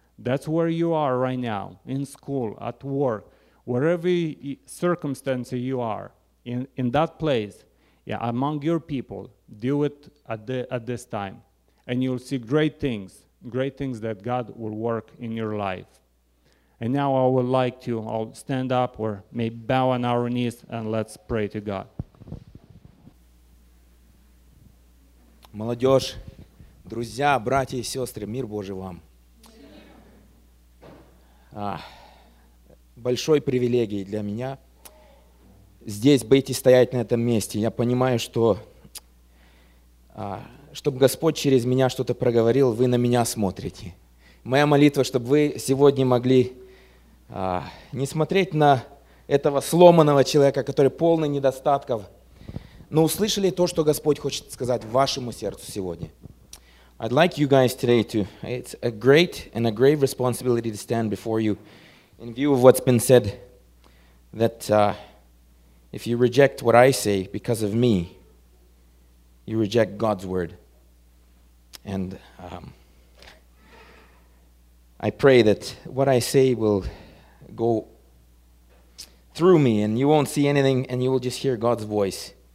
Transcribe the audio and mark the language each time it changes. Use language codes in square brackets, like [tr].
[en] That's where you are right now, in school, at work, wherever circumstance you are, in that place, yeah, among your people, do it at this time. And you'll see great things that God will work in your life. And now I would like to all stand up or maybe bow on our knees and let's pray to God. [ru] Молодежь, друзья, братья и сестры, мир Божий вам. Большой привилегий для меня здесь быть и стоять на этом месте. Я понимаю, что чтобы Господь через меня что-то проговорил, вы на меня смотрите. Моя молитва, чтобы вы сегодня могли не смотреть на этого сломанного человека, который полный недостатков, но услышали то, что Господь хочет сказать вашему сердцу сегодня. [en] I'd like you guys today to, it's a great and a grave responsibility to stand before you in view of what's been said, that if you reject what I say because of me, you reject God's word. And I pray that what I say will go through me and you won't see anything and you will just hear God's voice.